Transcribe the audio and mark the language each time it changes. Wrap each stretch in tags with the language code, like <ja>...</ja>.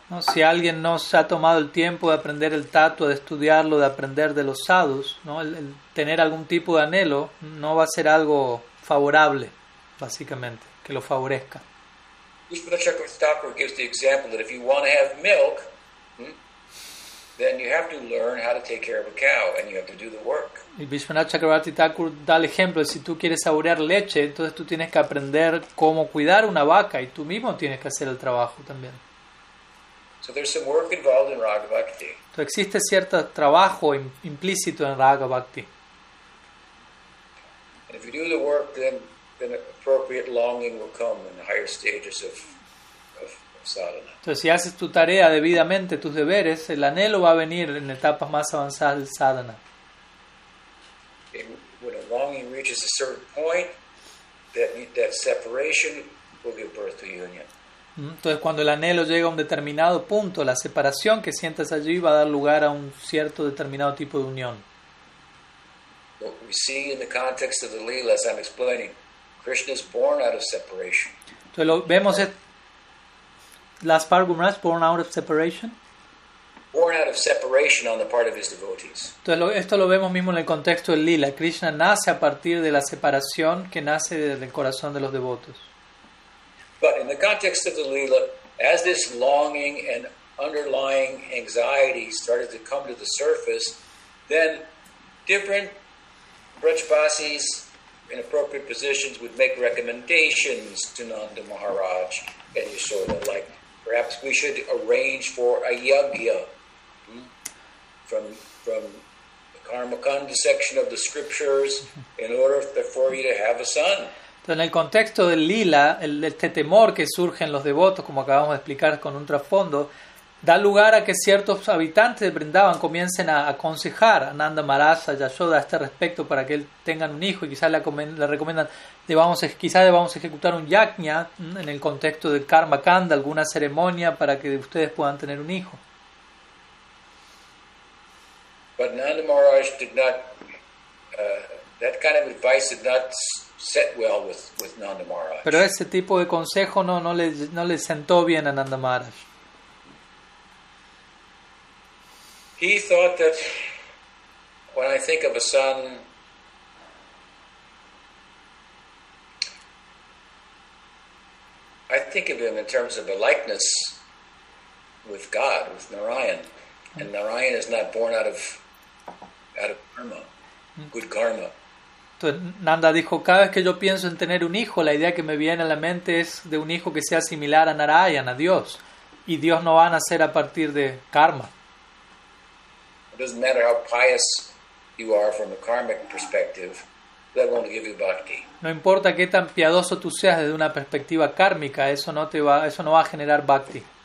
<es>No, si alguien no se ha tomado el tiempo de aprender el tattva, de estudiarlo, de aprender de los sadhus, ¿no? El tener algún tipo de anhelo no va a ser algo favorable, básicamente, que lo favorezca.</es> <en>Krishna Chakravarti gives the example that if you want to have milk, then you have to learn how to take care of a cow and you have to do the work.</en> <es>Y Vishwanath Chakravarti Thakur da el ejemplo de si tú quieres saborear leche, entonces tú tienes que aprender cómo cuidar una vaca y tú mismo tienes que hacer el trabajo también.</es> <en>So there's some work involved in Raga Bhakti.</en> <es>Entonces existe cierto trabajo implícito en Raga Bhakti.</es> <en>And if you do the work, then appropriate longing will come in the higher stages of</en> <es>entonces, si haces tu tarea debidamente, tus deberes, el anhelo va a venir en etapas más avanzadas del sadhana.</es> <en>When a longing reaches a certain point, that separation will give birth to union.</en> <es>Entonces, cuando el anhelo llega a un determinado punto, la separación que sientas allí va a dar lugar a un cierto determinado tipo de unión.</es> <en>What we see in the context of the lila, as I'm explaining, Krishna is born out of separation.</en> <es>Entonces, lo vemos.</es> <en>Last part, Gumaraj, born out of separation. Born out of separation on the part of his devotees.</en> <es>Entonces, esto lo vemos mismo en el contexto del lila. Krishna nace a partir de la separación que nace del corazón de los devotos.</es> <en>But in the context of the lila, as this longing and underlying anxiety started to come to the surface, then different Vrajvasis in appropriate positions would make recommendations to Nanda Maharaj and Yashoda, like, perhaps we should arrange for a yagya from the Karmakanda section of the scriptures in order for you to have a son.</en> <es>Entonces, en el contexto del lila, este temor que surge en los devotos, como acabamos de explicar con un trasfondo, da lugar a que ciertos habitantes de Vrindavan comiencen a aconsejar a Nanda Maharaj, a Yashoda, a este respecto para que él tengan un hijo y quizás le recomiendan, quizás le vamos a ejecutar un yajna en el contexto del karma kanda, alguna ceremonia para que ustedes puedan tener un hijo.</es> <en>But Nanda Maharaj did not, that kind of advice did not set well with Nanda Maharaj.</en> <es>Pero ese tipo de consejo no le sentó bien a Nanda Maharaj.</es> <en>He thought that when I think of a son, I think of him in terms of a likeness with God, with Narayan. And Narayan is not born out of karma, good karma.</en> <es>Nanda dijo, cada vez que yo pienso en tener un hijo, la idea que me viene a la mente es de un hijo que sea similar a Narayan, a Dios. Y Dios no va a nacer a partir de karma.</es> <en>It doesn't matter how pious you are from a karmic perspective, that won't give you bhakti.</en> <es>No importa qué tan piadoso tú seas desde una perspectiva kármica, eso no va a generar bhakti.</es>